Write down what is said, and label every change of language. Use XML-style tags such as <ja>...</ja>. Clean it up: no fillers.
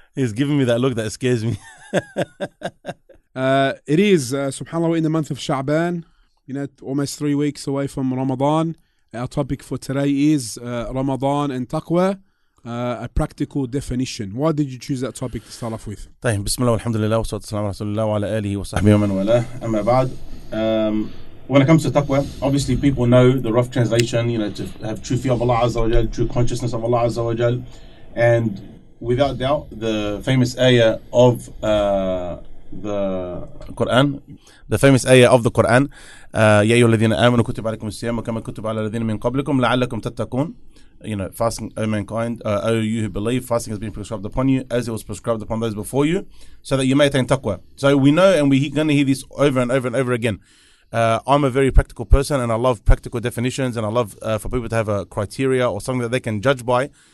<en>He's giving me that look that scares me. SubhanAllah, we're in the month of Sha'ban. You know, almost 3 weeks away from Ramadan. Our topic for today is Ramadan and Taqwa. A practical definition. Why did you choose that topic to start off with?</en> <ar>طيب بسم الله والحمد لله والصلاة والسلام على رسول الله وعلى آله وصحبه ومن والاه. أما بعد,</ar> <en>when it comes to taqwa, obviously people know the rough translation, you know, to have true fear of Allah Azza wa Jal, true consciousness of Allah Azza wa Jal. And without doubt, the famous ayah of the Quran, the famous ayah of the Quran,</en> <ar>يا أيها الذين آمنوا كتب عليكم الصيام كما كتب على الذين من قبلكم لعلكم تتقون.</ar> <en>You know, fasting, O mankind, O you who believe, fasting has been prescribed upon you as it was prescribed upon those before you, so that you may attain taqwa. So we know, and we're going to hear this over and over and over again. I'm a very practical person, and I love practical definitions, and I love for people to have a criteria or something that they can judge by.</en>